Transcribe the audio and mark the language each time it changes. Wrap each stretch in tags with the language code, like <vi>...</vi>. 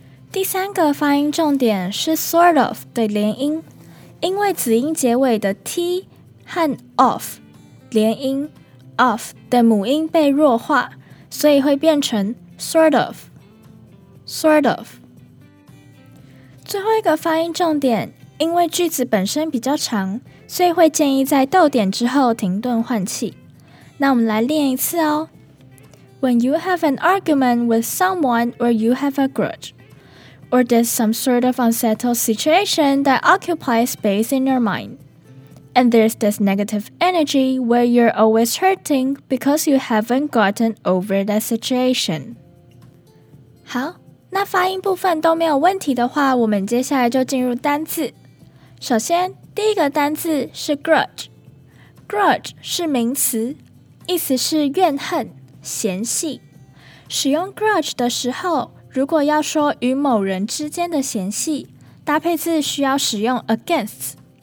<zh>第三个发音重点是 sort of 的连音，因为子音结尾的 t 和 of 连音， of 的母音被弱化，所以会变成 sort of sort of。最后一个发音重点，因为句子本身比较长，所以会建议在逗点之后停顿换气。那我们来练一次哦。</zh> <en>When you have an argument with someone or you have a grudge, or there's some sort of unsettled situation that occupies space in your mind, and there's this negative energy where you're always hurting because you haven't gotten over that situation.</en> <zh>好，那发音部分都没有问题的话，我们接下来就进入单字。首先，第一个单字是 grudge。grudge 是名词，意思是怨恨、嫌隙。使用 grudge 的时候，如果要说与某人之间的嫌隙，搭配字需要使用 against。</zh>